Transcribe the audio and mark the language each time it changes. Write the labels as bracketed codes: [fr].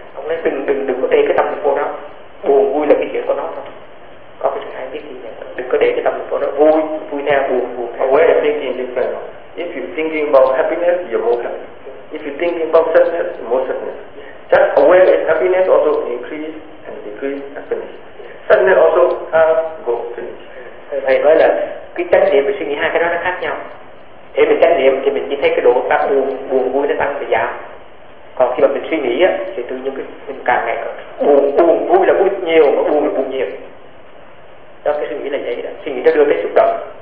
[vi] Ông nói đừng có để cái tâm của nó buồn vui là cái chuyện của nó thôi. Có cái chuyện hay biết gì nhỉ? Đừng có để cái tâm của nó vui vui theo buồn. [en] Aware of thinking different. If you're thinking about happiness, you're more happy. If you're thinking about sadness, more sadness. Just aware that happiness also increase and decrease happiness. Sadness also go finish. [vi] Thầy nói là cái chánh niệm và suy nghĩ hai cái đó nó khác nhau. Thế mình chánh niệm thì mình chỉ thấy cái độ tăng buồn vui nó tăng và giảm. Còn khi mà mình suy nghĩ á, thì tự nhiên mình càng ngày buồn vui là vui nhiều, mà buồn là buồn nhiều. Đó cái suy nghĩ là vậy đó. Suy nghĩ nó đưa tới xúc động.